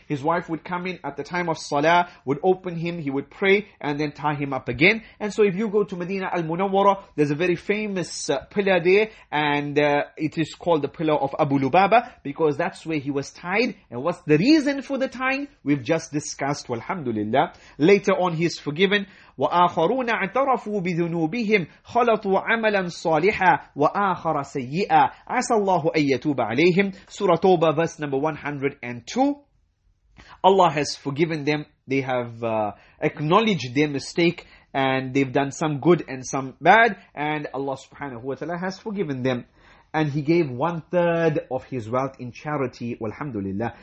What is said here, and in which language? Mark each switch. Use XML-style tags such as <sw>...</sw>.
<en>His wife would come in at the time of salah, would open him, he would pray and then tie him up again. And so if you go to Medina al-Munawwara, there's a very famous pillar there. And it is called the pillar of Abu Lubaba because that's where he was tied. And what's the reason for the tying? We've just discussed, walhamdulillah. Later on, he's forgiven.</en> <ar>وآخرون اعترفوا بذنوبهم خلطوا عملا صالحا وآخر سيئا عسى الله أن يتوب عليهم.</ar> <en>Surah Toba, verse number 102. Allah has forgiven them. They have acknowledged their mistake and they've done some good and some bad. And Allah subhanahu wa ta'ala has forgiven them. And he gave 1/3 of his wealth in charity, walhamdulillah.</en>